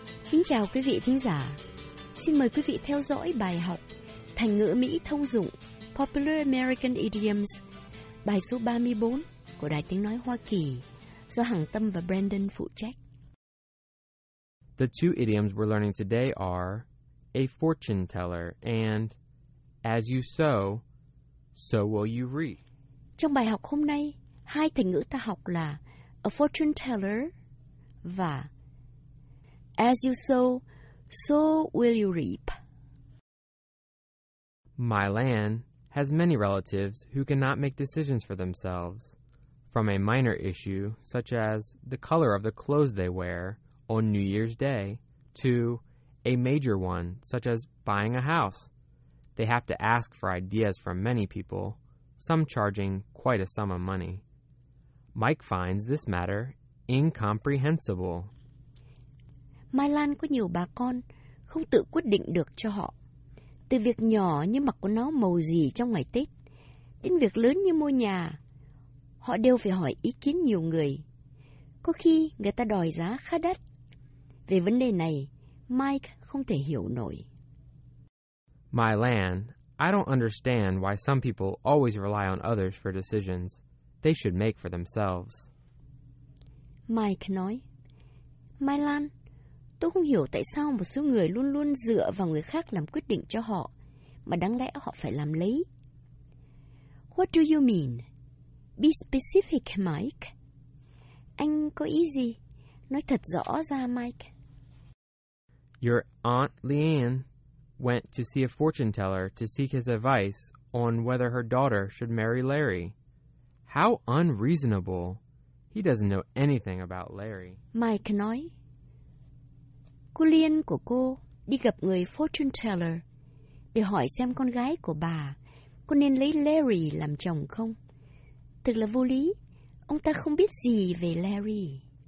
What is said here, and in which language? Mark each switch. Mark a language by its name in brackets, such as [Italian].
[Vietnamese] Xin chào quý vị thính giả. Xin mời quý vị theo dõi bài học Thành ngữ Mỹ thông dụng Popular American Idioms, bài số 34 của Đài Tiếng Nói Hoa Kỳ, do Hằng Tâm và Brandon phụ trách. [English] The two idioms we're learning today are a fortune teller and as you sow, so will you reap. [Vietnamese] Trong bài học hôm nay, hai thành ngữ ta học là a fortune teller và [English] as you sow, so will you reap. My land has many relatives who cannot make decisions for themselves. From a minor issue, such as the color of the clothes they wear on New Year's Day, to a major one, such as buying a house, they have to ask for ideas from many people, some charging quite a sum of money. Mike finds this matter incomprehensible. [Vietnamese] Mai Lan có nhiều bà con không tự quyết định được cho họ, từ việc nhỏ như mặc quần áo màu gì trong ngày Tết đến việc lớn như mua nhà, họ đều phải hỏi ý kiến nhiều người, có khi người ta đòi giá khá đắt. Về vấn đề này, Mike không thể hiểu nổi. [English] My land, I don't understand why some people always rely on others for decisions they should make for themselves. [Vietnamese] Mike nói, Mai Lan, tôi không hiểu tại sao một số người luôn luôn dựa vào người khác làm quyết định cho họ, mà đáng lẽ họ phải làm lấy. [English] What do you mean? Be specific, Mike. [Vietnamese] Anh có ý gì? Nói thật rõ ra, Mike. [English] Your Aunt Leanne went to see a fortune teller to seek his advice on whether her daughter should marry Larry. How unreasonable. He doesn't know anything about Larry. [Vietnamese] Mike nói, cô Liên của cô đi gặp người fortune teller để hỏi xem con gái của bà có nên lấy Larry làm chồng không. Thực là vô lý, ông ta không biết gì về Larry.